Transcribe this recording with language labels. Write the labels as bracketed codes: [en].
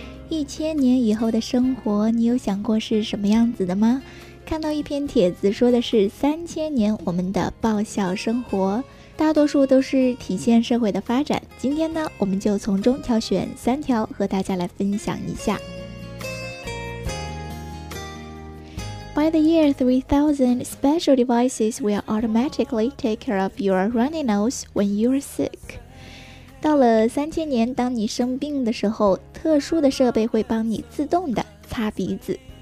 [zh] 1000年以后的生活，你有想过是什么样子的吗？看到一篇帖子，说的是3000年我们的爆笑生活，大多数都是体现社会的发展。今天呢，我们就从中挑选3条和大家来分享一下。 [en] By the year 3000, special devices will automatically take care of your runny nose when you're sick. [zh] 到了3000年，当你生病的时候，特殊的设备会帮你自动的擦鼻子。